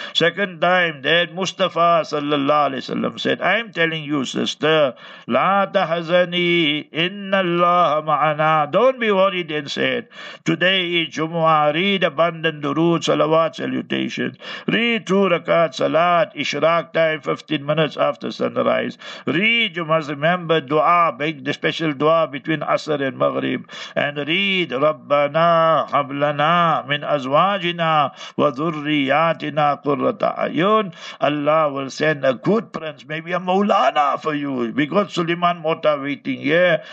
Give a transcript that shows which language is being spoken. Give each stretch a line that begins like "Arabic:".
English: Second time that Mustafa sallallahu alaihi wasallam said, I'm telling you sister,
Arabic: la tahzani inna Allah ma'ana,
English: don't be worried, and said, today is Jumu'ah, read abundant durood, salawat, salutation, read 2 rakat salat, ishraq time 15 minutes after sunrise, read, you must remember dua, make the special dua between asr and maghrib.
Arabic: المغرب
English: and read
Arabic: ربنا حبلنا من أزواجنا وذرياتنا قرة أعين.
English: Allah will send a good prince, maybe a Maulana for you. We got Suleiman Mota waiting here.